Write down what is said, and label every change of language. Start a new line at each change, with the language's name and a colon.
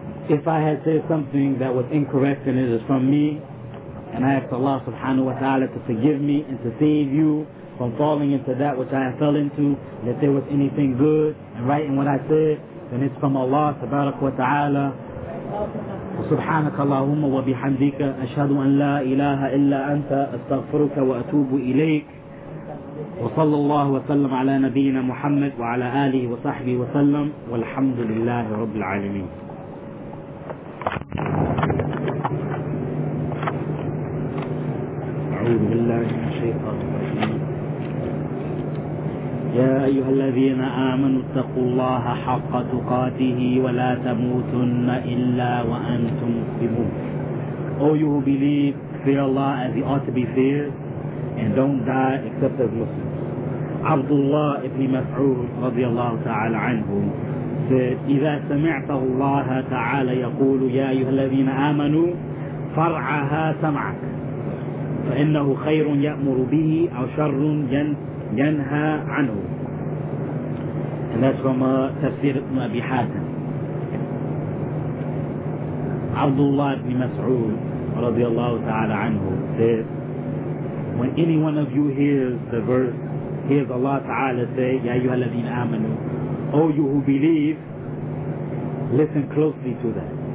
English: If I had said something that was incorrect and it is from me, and I ask Allah subhanahu wa ta'ala to forgive me and to save you from falling into that which I have fell into, and if there was anything good and right in what I said, then it's from Allah tabarak wa ta'ala.
Arabic: سبحانك اللهم وبحمدك أشهد أن لا إله إلا أنت أستغفرك وأتوب إليك وصلى الله وسلم على نبينا محمد وعلى آله وصحبه وسلم والحمد لله رب العالمين. أعوذ بالله من الشيطان يا أيها الذين آمنوا اتقوا الله حق تقاته ولا تموتن إلا وأنتم مسلمون.
English: O you who believe, fear Allah as He ought to be feared, and don't die except as Muslims.
Arabic: عبد الله ابن مسعود رضي الله تعالى عنه
English: said,
Arabic: إذا سمعت الله تعالى يقول يا أيها الذين آمنوا فرعها سمعك فإنه خير يأمر به أو شر ينهى عنه.
English: And that's from Tafsir ibn Abi Hatim. Abdullah ibn Mas'ud radiallahu ta'ala anhu said, when any one of you hears the verse, hears Allah ta'ala say, Ya ayyuha alladhina amanu, O you who believe, listen closely to that.